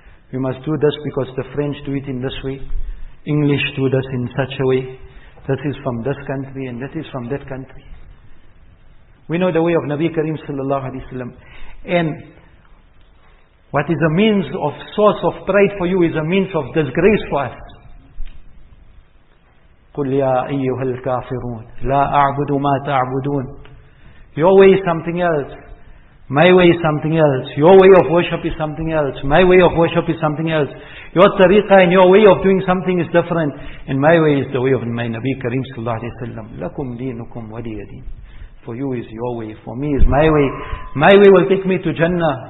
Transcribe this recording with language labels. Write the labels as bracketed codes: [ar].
[en] We must do this because the French do it in this way. English do this in such a way. This is from this country and this is from that country. We know the way of Nabi Karim sallallahu alaihi wasallam. And what is a means of source of pride for you is a means of disgrace for us. [ar] قُلْ يَا أَيُّهَا الْكَافِرُونَ لَا أَعْبُدُ مَا تَعْبُدُونَ Your way is something else. [en] My way is something else. Your way of worship is something else. My way of worship is something else. Your tariqah and your way of doing something is different. And my way is the way of my Nabi Kareem sallallahu alayhi wa sallam. Lakum deenukum wa liya deen. For you is your way. For me is my way. My way will take me to Jannah.